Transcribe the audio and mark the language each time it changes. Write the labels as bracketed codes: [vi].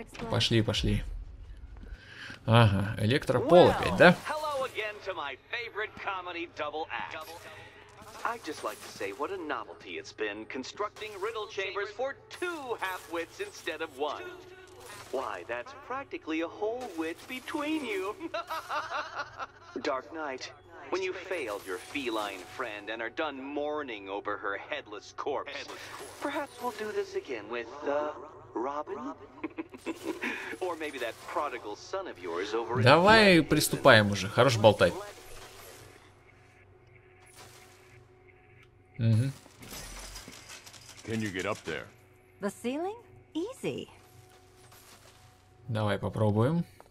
[ru] Пошли, пошли. Ага, электропол опять, да? [en] Hello again to my favorite comedy double act. I'd just like to say what a novelty it's been constructing riddle chambers for two half-wits instead of one. Why, that's practically a whole wit between you. Dark Knight, When you failed your feline friend and are done mourning over her headless corpse, perhaps we'll do this again with, Robin? Or maybe that prodigal son of yours over in... [ru] Давай приступаем уже, хорош болтать. Угу. [en] Can you get up there? The ceiling? Easy. [ru] Давай попробуем.